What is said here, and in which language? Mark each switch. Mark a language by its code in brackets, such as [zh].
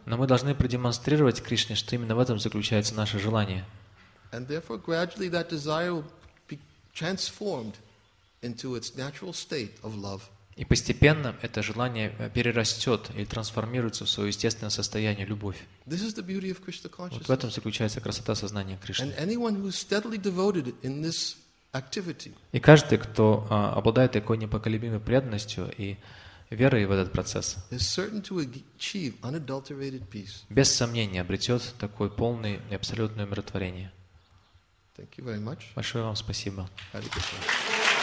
[ru] Но мы должны продемонстрировать Кришне, что именно в этом заключается наше желание. [en] And therefore, gradually that desire will be transformed into its natural state of love. [ru] И постепенно это желание перерастет и трансформируется в свое естественное состояние — любовь. [en] This is the beauty of Krishna consciousness. [ru] Вот в этом заключается красота сознания Кришны. [en] And anyone who is steadily devoted in this activity. [ru] И каждый, кто обладает такой непоколебимой преданностью и верой в этот процесс, [en] is certain to achieve unadulterated peace. [ru] Без сомнения обретет такое полное и абсолютное умиротворение. [en] Thank you very much. [ru] Большое вам спасибо. [sa] Hare Krishna.